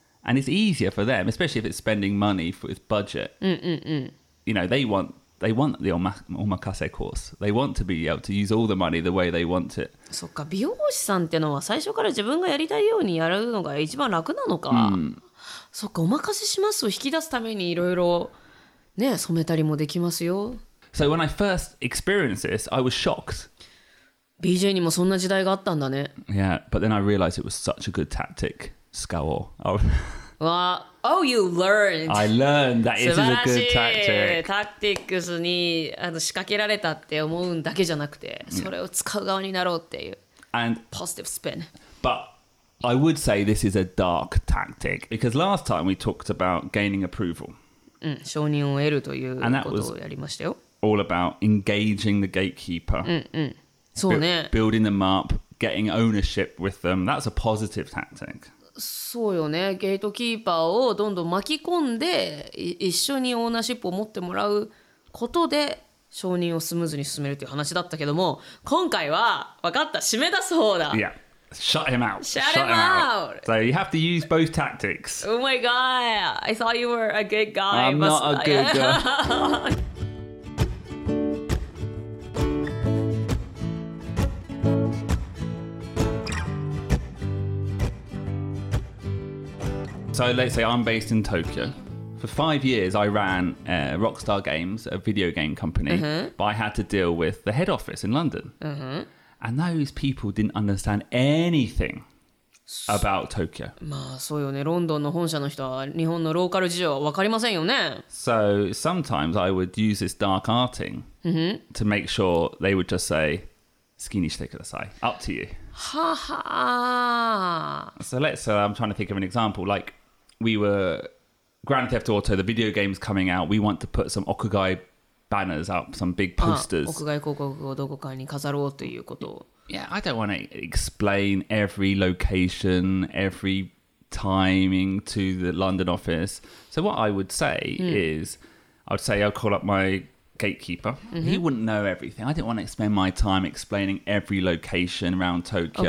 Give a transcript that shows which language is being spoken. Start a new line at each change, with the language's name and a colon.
English: And it's easier for them, especially if it's spending money with budget. You know, they want the omakase course. They want to be able to use all the money the way they want it.
Japanese: そっか、美容師さんってのは最初から自分がやりたいようにやるのが一番楽なのか。そっか、お任せしますを引き出すためにいろいろね、染めたりもできますよ。
English: So when I first experienced this, I was shocked.
Japanese: BJ にもそんな時代があったんだね。
English: Yeah, but then I realized it was such a good tactic, Scowl. Oh, oh you learned! I learned that it is a good tactic.
Japanese: 素晴らしい。タクティックスに仕掛けられたって思うんだけじゃなくて、それを使う側になろうっていう。
English: And positive spin. But I would say this is a dark tactic, because last time we talked about gaining approval.
Japanese: うん、承認を得るということをやりましたよ。
English: And that was all about engaging the gatekeeper.
Japanese: うんうん。そうね、
English: building them up, getting ownership with them. That's a positive tactic.
Japanese: そうよね。ゲートキーパーをどんどん巻き込んで、一緒にオーナーシップを持ってもらうことで承認をスムーズに進めるという話だったけども、今回は分かった。締め出す方だ。
English: Yeah. Shut him out. Shut him out. So you have to use both tactics. Oh my god. I thought you were a good guy. I'm not a good guy. So let's say I'm based in Tokyo. For 5 years, I ran Rockstar Games, a video game company, uh-huh. but I had to deal with the head office in London. Uh-huh. And those people didn't understand anything about Tokyo.
Japanese: まあそうよね。ロンドンの本社の人は日本のローカル事情は分かりませんよね。
English: So sometimes I would use this dark arting to make sure they would just say,
Japanese: 好きにしてください。
English: Up to you. So let's say, I'm trying to think of an example. Like, we were Grand Theft Auto, the video game's coming out. We want to put some Okugai banners up, some big posters.
Japanese: 屋外広告をどこかに飾ろうということ。
English: Yeah, I don't want to explain every location, every timing to the London office. So what I would say is, I'd say I'll call up my... gatekeeper. He wouldn't know everything. I didn't want to spend my time explaining every location around Tokyo.